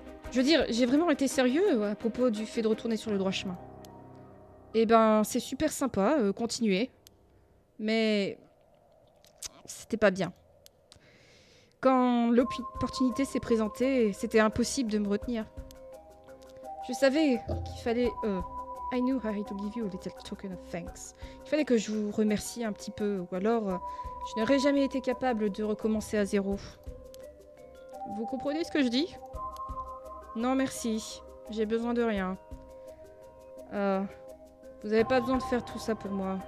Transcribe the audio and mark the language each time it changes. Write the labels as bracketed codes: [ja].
[fr] Je veux dire, j'ai vraiment été sérieux à propos du fait de retourner sur le droit chemin. Eh ben, c'est super sympa, continuer. Mais... C'était pas bien. Quand l'opportunité s'est présentée, c'était impossible de me retenir. Je savais qu'il fallait... [en] I knew how to give you a little token of thanks. [fr] Il fallait que je vous remercie un petit peu. Ou alors, je n'aurais jamais été capable de recommencer à zéro. Vous comprenez ce que je dis? Non, merci. J'ai besoin de rien. Vous n'avez pas besoin de faire tout ça pour moi.